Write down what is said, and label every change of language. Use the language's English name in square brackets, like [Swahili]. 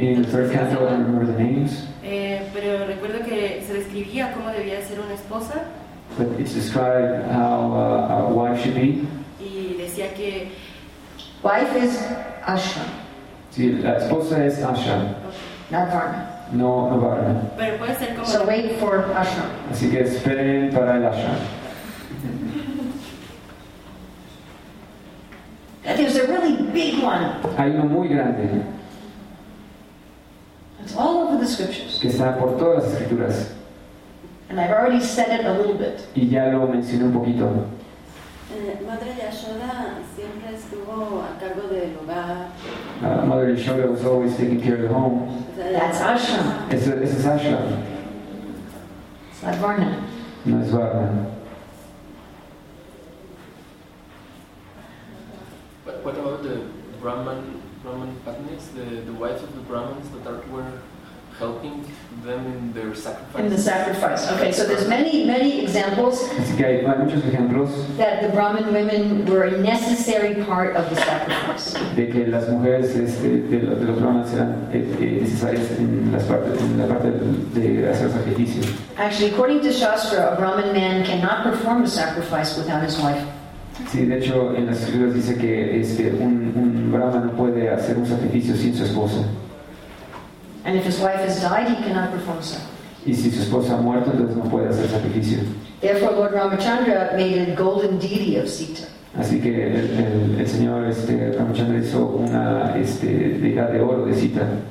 [Spanish] Pero recuerdo que se describía cómo debía ser una esposa. [English] But it's described how a wife should be. [Spanish] Y decía que [English] wife is ashram. [Spanish] Sí, la esposa es ashram. [English] Okay. Not varna. [Spanish] No varna. Pero puede ser como. [English] So wait for ashram. [Spanish] Así que esperen para el ashram. [English] There's a really big one. [Spanish] Hay uno muy grande. [English] It's all over the scriptures. [Spanish] Que está por todas las escrituras. [English] And I've already said it a little bit. [Spanish] Y ya lo mencioné un poquito. Madre Yashoda siempre estuvo a cargo del hogar. [English] Mother Yashoda was always taking care of the home. That's ashram. [Spanish] Eso es ashram. [English] It's not varna. [Spanish] No es varna. [English] What about the Brahman? Brahman Patnis, the wives of the Brahmins that were helping them in their sacrifice. In the sacrifice. Okay, so there's many examples. [Spanish] Así que hay muchos ejemplos. [English] That the Brahmin women were a necessary part of the sacrifice. [Spanish] De que las mujeres de los Brahmins eran necesarias en la parte de hacer sacrificio. [English] Actually, according to Shastra, a Brahmin man cannot perform a sacrifice without his wife. [Spanish] Sí, de hecho, en las escrituras dice que un brahma no puede hacer un sacrificio sin su esposa. [English] And if his wife has died, he cannot perform sacrifice. [Spanish] Y si su esposa ha muerto, entonces no puede hacer sacrificio. [English] Therefore, Lord Ramachandra made a golden deity of Sita. [Spanish] Así que el señor Ramachandra hizo una vida de oro de cita.